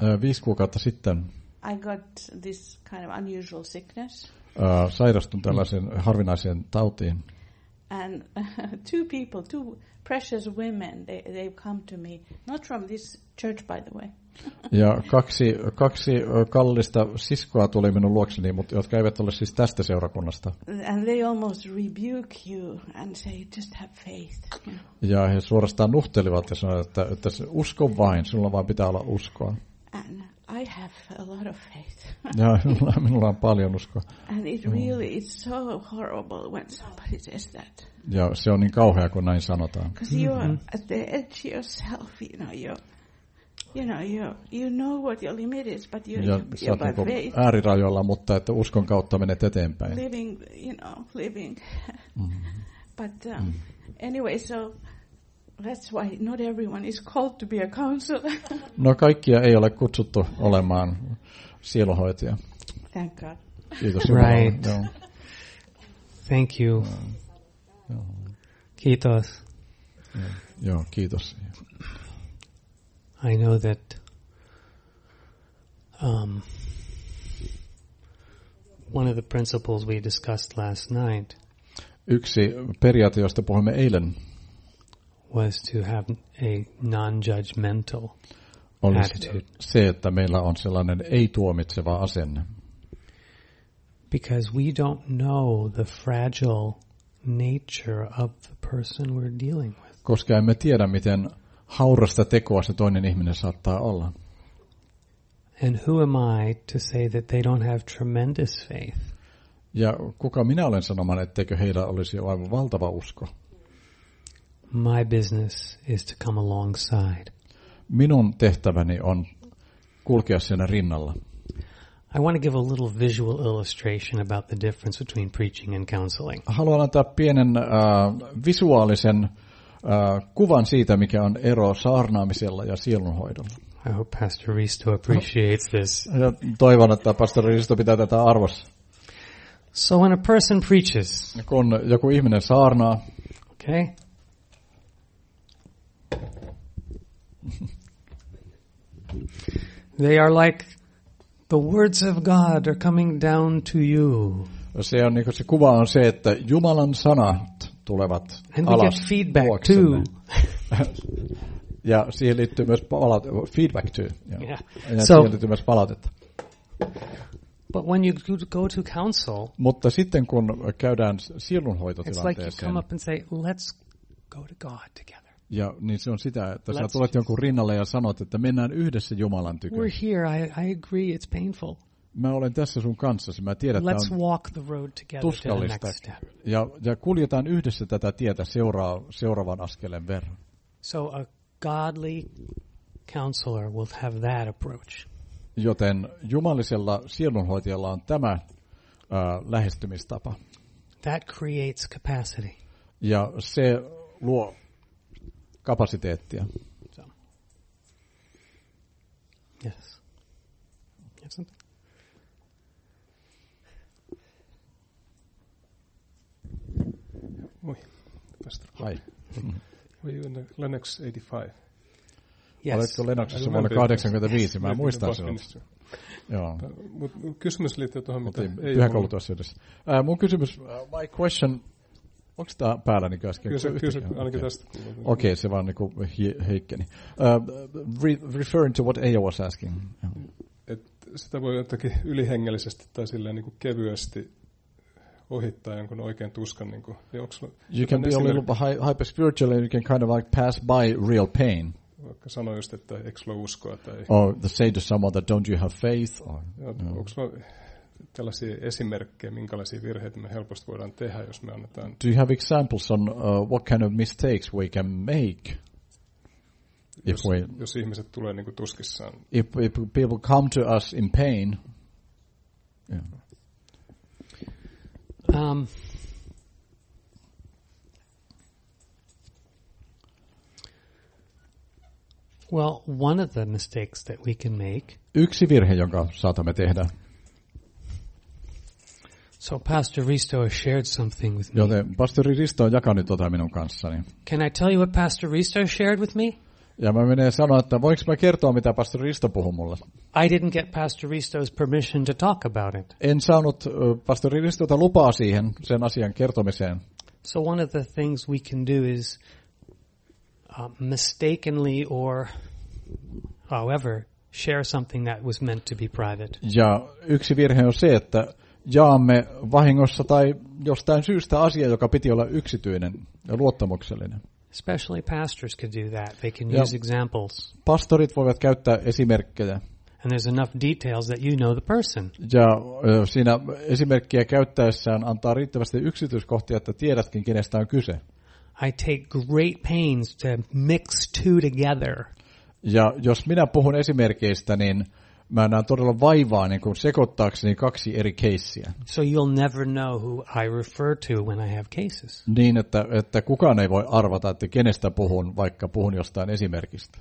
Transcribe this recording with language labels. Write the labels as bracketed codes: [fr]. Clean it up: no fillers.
[fi] 5 kuukautta sitten. [en] I got this kind of unusual sickness. [fi] Sairastun tällaisen harvinaisen tautiin. [en] And two people, two precious women, they come to me, not from this church by the way. [fi] Ja kaksi kallista siskoa tuli minun luokseni, mutta jotka eivät ole siis tästä seurakunnasta. [en] And they almost rebuke you and say just have faith. [fi] Ja he suorastaan nuhtelivat ja sanoivat, että usko vain, sinulla vaan pitää olla uskoa. [en] And I have a lot of faith. [fi] Ja minulla on paljon uskoa. [en] And it really is so horrible when somebody says that. [fi] Ja se on niin kauhea, kun näin sanotaan. [en] Because you are at the edge yourself, you know, you know what your limit is, but you're by faith. [fi] Äärirajoilla, mutta että uskon kautta menet eteenpäin. [en] Living, you know, living. Mm-hmm. But anyway, so that's why not everyone is called to be a counselor. [fi] No, kaikkia ei ole kutsuttu olemaan sielunhoitaja. [en] Thank God. [fi] Kiitos. [en] Right. Thank you. [fi] Kiitos. Joo, kiitos. [en] I know that one of the principles we discussed last night. [fi] Yksi periaate, josta puhuimme eilen, [en] was to have a non-judgmental attitude. [fi] Se, että meillä on sellainen ei-tuomitseva asenne. [en] Because we don't know the fragile nature of the person we're dealing with. [fi] Koska emme tiedä, miten haurasta tekoa se toinen ihminen saattaa olla. [en] And who am I to say that they don't have tremendous faith? [fi] Ja kuka minä olen sanomaan, etteikö heillä olisi aivan valtava usko? [en] My business is to come alongside. [fi] Minun tehtäväni on kulkea siinä rinnalla. [en] I want to give a little visual illustration about the difference between preaching and counseling. [fi] Haluan antaa pienen visuaalisen kuvan siitä, mikä on ero saarnaamisella ja sielunhoidolla. [en] I hope Pastor Risto appreciates this. [fi] Ja toivon, että Pastor Risto pitää tätä arvossa. [en] So when a person preaches, [fi] kun joku ihminen saarnaa, [en] okay. They are like the words of God are coming down to you. [fi] Se on niin kuin, se kuva on se, että Jumalan sanat tulevat [en] and we [fi] alas [en] get feedback too. [fi] Ja siihen liittyy myös [en] feedback too. [fi] Siihen liittyy myös palautetta. [en] But when you go to counsel, [fi] mutta sitten kun käydään sielunhoitotilanteeseen, [en] it's like you come up and say, let's go to God together. [fi] Ja niin se on sitä, että sä tulet jonkun rinnalle ja sanot, että mennään yhdessä Jumalan tykö. [en] We're here, I agree, it's painful. [fi] Mä olen tässä sun kanssasi, mä tiedän, että [en] let's walk the road together to the next step. [fi] Ja kuljetaan yhdessä tätä tietä seuraavan askeleen verran. [en] So a godly counselor will have that approach. [fi] Joten jumalisella sielunhoitajalla on tämä lähestymistapa. [en] That creates capacity. [fi] Ja se luo kapasiteettia. So. [en] Yes. Yes. Moi. Pastor. Hi. Were you in Linux 85? Yes. [fi] Oletko Lennoksessa vuonna 85? Mä muistan sen. Joo. Mut kysymys liittyy tuohon, mitä ei pyhäkoulutusasioissa. Mun kysymys, [en] my question, [fi] onko tämä päällä niin äsken? Kyllä, ainakin tästä. Okei, se vaan niin kuin heikkeni. [en] Referring to what Eija was asking. [fi] Sitä voi jotenkin ylihengellisesti tai silleen niin kuin kevyesti ohittaa jonkun oikean tuskan. Niin kuin. [en] You can be a little hyper-spiritual and you can kind of like pass by real pain. [fi] Vaikka sano just, että eikö sulla uskoa tai [en] or the say to someone that don't you have faith or no. [fi] Onko sulla tällaisia esimerkkejä, minkälaisia virheitä me helposti voidaan tehdä, jos me annetaan. [en] Do you have examples on what kind of mistakes we can make? [fi] Jos ihmiset tulee niinku tuskissaan. [en] If people come to us in pain. Well, one of the mistakes that we can make. [fi] Yksi virhe, jonka saatamme tehdä. [en] So Pastor Risto has shared something with me. [fi] Joten Pastori Risto on jakanut jotain minun kanssani. [en] Can I tell you what Pastor Risto shared with me? [fi] Ja mä menen sanoa, että voinko mä kertoa, mitä Pastor Risto puhui mulle? [en] I didn't get Pastor Risto's permission to talk about it. [fi] En saanut Pastori Ristolta lupaa siihen, sen asian kertomiseen. [en] So one of the things we can do is mistakenly or however share something that was meant to be private. [fi] Ja yksi virhe on se, että jaamme vahingossa tai jostain syystä asia, joka piti olla yksityinen ja luottamuksellinen. [en] Especially pastors can do that. They can use examples. [fi] Pastorit voivat käyttää esimerkkejä. [en] And there's enough details that you know the person. [fi] Ja siinä esimerkkiä käyttäessään antaa riittävästi yksityiskohtia, että tiedätkin, kenestä on kyse. [en] I take great pains to mix two together. [fi] Ja jos minä puhun esimerkkeistä, niin mä näen todella vaivaa niin kuin sekoittaakseni kaksi eri keissiä. [en] So you'll never know who I refer to when I have cases. [fi] Niin että kukaan ei voi arvata, että kenestä puhun, vaikka puhun jostain esimerkistä.